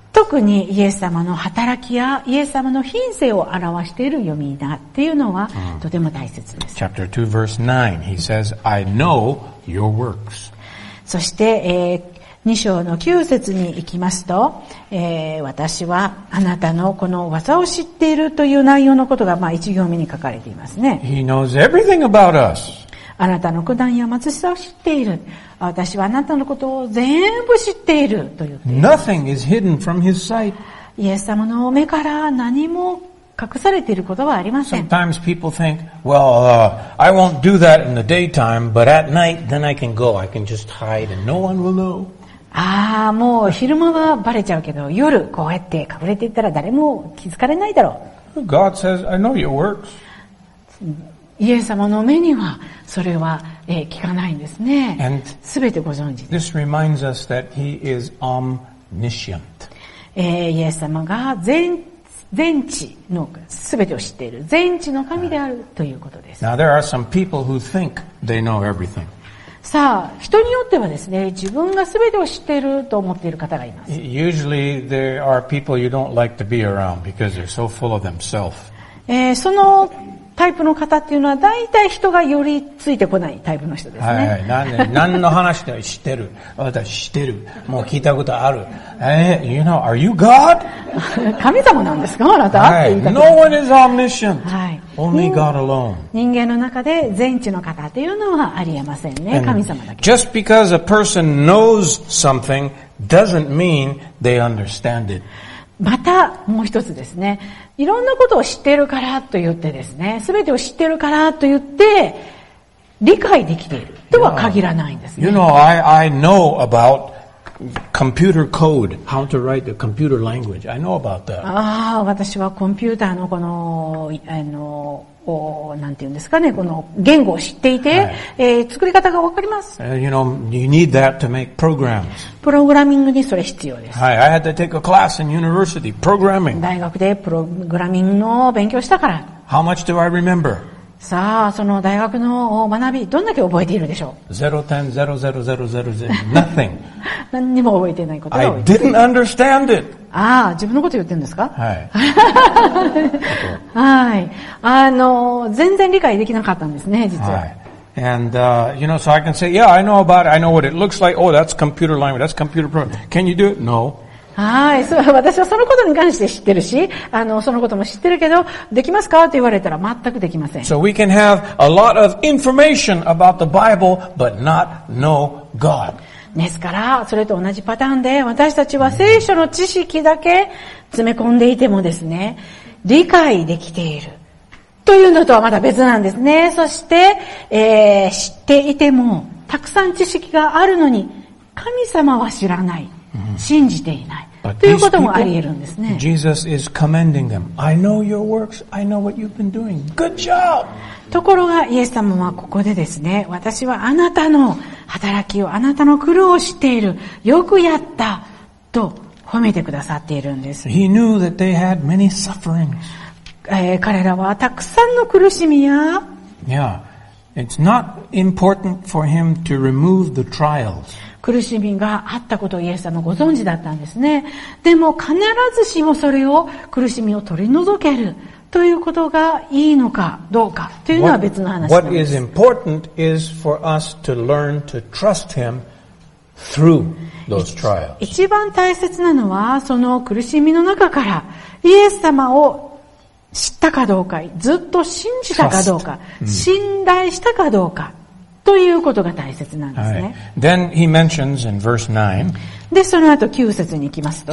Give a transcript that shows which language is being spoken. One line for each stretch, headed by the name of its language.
Japanese: 特にイエス様の働きやイエス様の品性を表している呼び名っていうのはとても大切です。
English: Chapter 2 verse 9, he says, I know your works.
Japanese: そして、二章の九節に行きますと、私はあなたのこの技を知っているという内容のことが、まあ一行目に書かれていますね。
English: He knows everything about us.
Japanese: あなたの苦難や貧しさを知っている。私はあなたのことを全部知っていると言っています
English: 。 Nothing is hidden from his sight.
Japanese: イエス様の目から何も隠されていることはありません。
English: Sometimes people think, well, I won't do that in the daytime, but at night, then I can go. I can just hide and no one will know.
Japanese: ああ、もう昼間はバレちゃうけど、夜こうやって隠れていったら誰も気づかれないだろう。
English: God says, I know your works.
Japanese: イエス様の目にはそれは聞かないんですね。すべてご存知です。
English: This reminds us that he is omniscient.
Japanese: イエス様が全知のすべてを知っている、全知の神であるということです。
English: Now there are some people who think they know everything.
Japanese: さあ、人によってはですね、自分がすべてを知っていると思っている方がいます。
English: Usually there are people you don't like to be around because they're so full of themselves.
Japanese: そのタイプの方っていうのは大体人が寄りついてこないタイプの人ですね。はい、何の話で知ってる？私知ってる。もう聞いたことある。
English: You know, are you God?
Japanese: 神様なんですか、あなた？
English: はい。No one is omniscient. はい。Only God alone.
Japanese: 人間の中で全知の方っていうのはありえませんね、
English: And、
Japanese: 神様だけ。
English: Just because a person knows something doesn't mean they understand it.
Japanese: またもう一つですね、いろんなことを知っているからと言ってですね、すべてを知っているからと言って理解できているとは限らないんですね。
English: You know, I know about computer code, how to write a computer language. I know about that.
Japanese: 私はコンピューターのこの、なんていうんですかね、この言語を知っていて、作り方がわかります。
English: You know, you need that to make programs.
Japanese: プログラミングにそれ必要です。
English: はい、I had to take a class in university, programming.
Japanese: 大学でプログラミングの勉強したから。
English: How much do I remember?
Japanese: さあ、その大学の学び、どんだけ覚えているでしょう
English: ?0、10、0、0、0、0、0、nothing.
Japanese: 何にも覚えてないことが多い。
English: I didn't understand it.
Japanese: ああ、自分のこと言ってるんですか？はい。はい。全然理解できなかったんですね、実は。はい。
English: And, you know, so I can say, yeah, I know about it. I know what it looks like. Oh, that's computer language. That's computer program. Can you do it? No.
Japanese: はい、私はそのことに関して知ってるし、そのことも知ってるけど、できますかと言われたら全くできません。
English: So we can have a lot of information about the Bible, but not know God.
Japanese: ですから、それと同じパターンで、私たちは聖書の知識だけ詰め込んでいてもですね、理解できている。というのとはまた別なんですね。そして、知っていても、たくさん知識があるのに、神様は知らない。信じていない、
English: But、
Japanese: ということもあり得るんですね。
English: Jesus is commending them. I know your works. I know what you've been doing. Good job.
Japanese: ところがイエス様はここでですね、私はあなたの働きをあなたの苦労を知っている、よくやったと褒めてくださっているんです。
English: He knew that they had many sufferings.
Japanese: 彼らはたくさんの苦しみや、
English: Yeah. It's not important for him to remove the trials.
Japanese: 苦しみがあったことをイエス様ご存知だったんですね。でも必ずしもそれを苦しみを取り除けるということがいいのかどうかというのは別の話なんです。
English: What is important is for us to learn to trust him through those trials.
Japanese: 一番大切なのはその苦しみの中からイエス様を知ったかどうか、ずっと信じたかどうか、信頼したかどうかということが大切なんですね。
English: Right. Then he mentions in verse 9.
Japanese: でその後9節に行きますと。